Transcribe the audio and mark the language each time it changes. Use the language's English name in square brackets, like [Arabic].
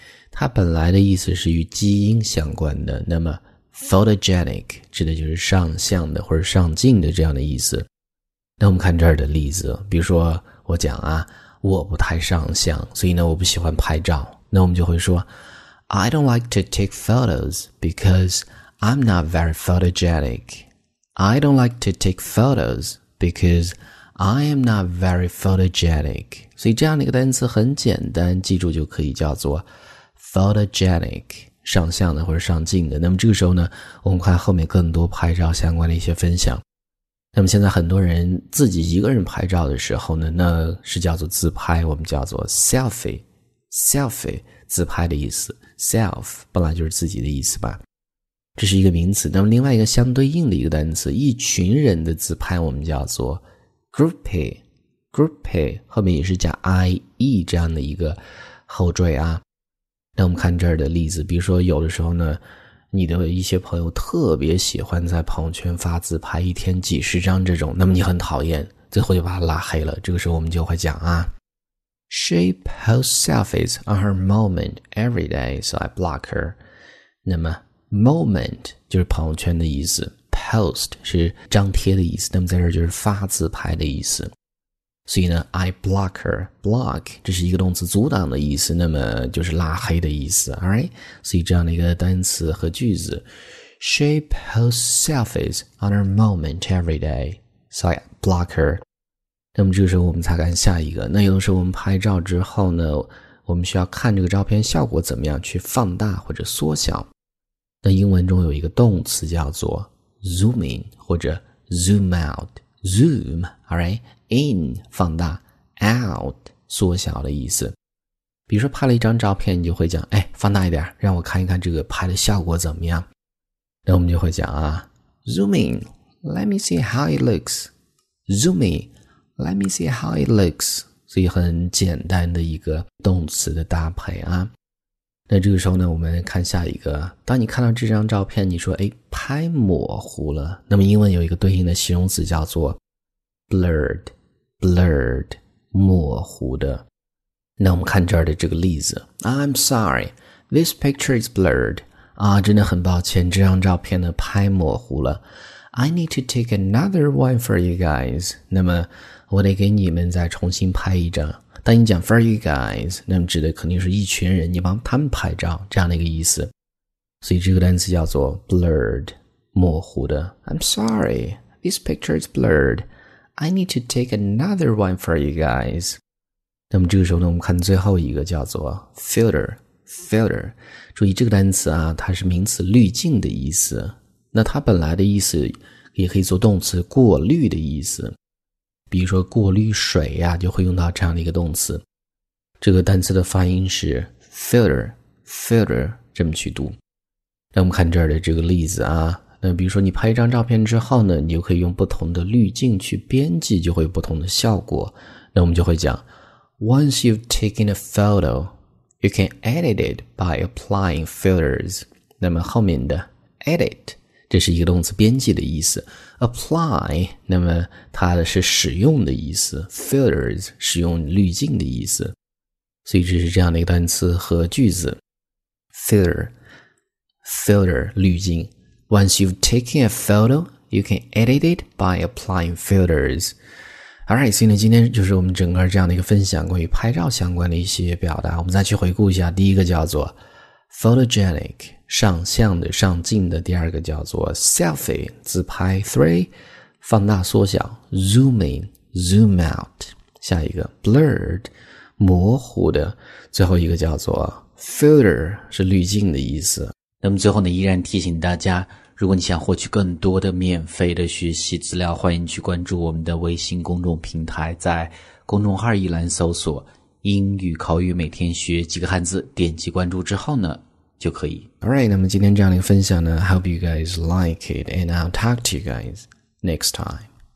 [Chinese] 它本来的意思是与基因相关的，那么 photogenic 指的就是上相的或者上镜的这样的意思。那我们看这儿的例子，比如说我讲啊，我不太上相，所以呢，我不喜欢拍照。那我们就会说 [English] ，I don't like to take photos because I'm not very photogenic. I don't like to take photos because I am not very photogenic. [Chinese] 所以这样的一个单词很简单，记住就可以，叫做photogenic, 上相的或者上镜的。那么这个时候呢，我们看后面更多拍照相关的一些分享。那么现在很多人自己一个人拍照的时候呢，那是叫做自拍，我们叫做 selfie, 自拍的意思。 self 本来就是自己的意思吧。这是一个名词。那么另外一个相对应的一个单词，一群人的自拍我们叫做 groupie, 后面也是加 ie 这样的一个后缀啊。那我们看这儿的例子，比如说有的时候呢，你的一些朋友特别喜欢在朋友圈发自拍，一天几十张这种，那么你很讨厌，最后就把他拉黑了。这个时候我们就会讲啊 [English] ，She posts selfies on her moment every day, so I block her。 [Chinese] 那么 moment 就是朋友圈的意思 ，post 是张贴的意思，那么在这儿就是发自拍的意思。所以呢 ， [English] I block her， [Chinese] block 这是一个动词，阻挡的意思，那么就是拉黑的意思 ，right？所以这样的一个单词和句子 [English] ，She posts selfies on her moment every day, so I block her。 [Chinese] 那么这个时候我们才看下一个。那有的时候我们拍照之后呢，我们需要看这个照片效果怎么样，去放大或者缩小。那英文中有一个动词叫做 zoom in 或者 zoom out，zoom，right？ in 放大 ，out 缩小的意思。比如说拍了一张照片，你就会讲：“哎，放大一点，让我看一看这个拍的效果怎么样。” 那我们就会讲啊 [English] ，Zoom in, let me see how it looks. Zoom in, let me see how it looks. [Chinese] 所以很简单的一个动词的搭配啊。那这个时候呢，我们看下一个。当你看到这张照片，你说：“哎，拍模糊了。”那么英文有一个对应的形容词叫做 blurred。 Blurred, 模糊的。那我们看这儿的这个例子。 [English] I'm sorry, this picture is blurred. [Chinese] 啊，真的很抱歉，这张照片呢拍模糊了。 [English] I need to take another one for you guys. [Chinese] 那么我得给你们再重新拍一张。当你讲 [English] for you guys, [Chinese] 那么指的肯定是一群人，你帮他们拍照，这样的一个意思。所以这个单词叫做 blurred, 模糊的。 [English] I'm sorry, this picture is blurred. I need to take another one for you guys. [Chinese] 那么这个时候呢，我们看最后一个叫做 filter。注意这个单词啊，它是名词滤镜的意思。那它本来的意思也可以做动词过滤的意思。比如说过滤水呀，就会用到这样的一个动词。这个单词的发音是 filter, 这么去读。那我们看这儿的这个例子啊。那比如说你拍一张照片之后呢，你就可以用不同的滤镜去编辑，就会有不同的效果。那我们就会讲 [English] Once you've taken a photo, you can edit it by applying filters. [Chinese] 那么后面的 edit, 这是一个动词编辑的意思。 apply, 那么它是使用的意思。 filters, 使用滤镜的意思。所以这是这样的一个单词和句子。 filter, 滤镜。 [English] Once you've taken a photo, you can edit it by applying filters. [Chinese] Alright, 所以呢，今天就是我们整个这样的一个分享，关于拍照相关的一些表达。我们再去回顾一下，第一个叫做 photogenic, 上相的、上镜的；第二个叫做 selfie, 自拍 ；three, 放大缩小 ；zoom in, zoom out。下一个 blurred, 模糊的；最后一个叫做 filter, 是滤镜的意思。那么最后呢，依然提醒大家，如果你想获取更多的免费的学习资料，欢迎去关注我们的微信公众平台，在公众号一栏搜索英语口语每天学几个汉字，点击关注之后呢，就可以。 [English] Alright, [Chinese] 那么今天这样的一个分享呢 [English] ,hope you guys like it, and I'll talk to you guys next time.